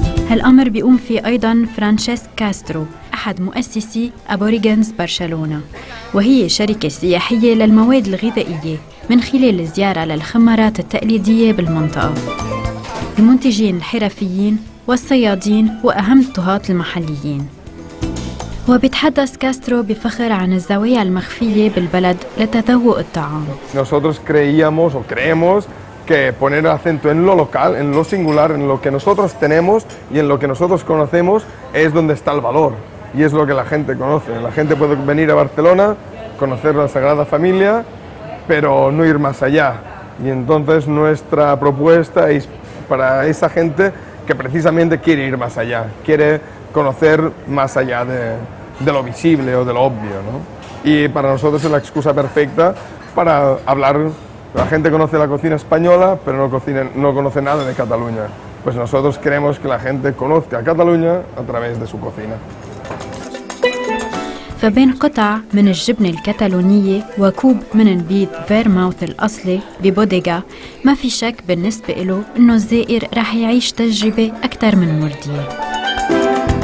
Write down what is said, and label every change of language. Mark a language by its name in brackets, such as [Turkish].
[Arabic] هالأمر بيقوم فيه أيضاً فرانشيسك كاسترو أحد مؤسسي أبوريجنز برشلونة وهي شركة سياحية للمواد الغذائية من خلال الزيارة للخمارات التقليدية بالمنطقة. المنتجين الحرفيين والصيادين وأهم الطهات المحليين. وبيتحدث كاسترو بفخر عن الزوايا المخفية بالبلد لتذوق الطعام. [Spanish] Nosotros creíamos o creemos que poner acento en lo local, en lo singular, en lo que nosotros tenemos y en lo que nosotros conocemos es donde está el valor y es lo que la gente conoce. La gente puede venir a Barcelona, conocer la Sagrada Familia, pero no ir más allá. Y entonces nuestra propuesta es para esa gente que precisamente quiere ir más allá, quiere conocer más allá de lo visible o de lo obvio, ¿no? Y para nosotros es la excusa perfecta para hablar. La gente conoce la cocina española, pero no conoce nada de Cataluña. Pues nosotros queremos que la gente conozca a Cataluña a través de su cocina. [Arabic] فبين قطع من الجبنة الكتالونية وكوب من البيض فيرماوث الأصلي ببوديغا ما في شك بالنسبة له إنه الزائر راح يعيش تجربة أكثر من مرضية.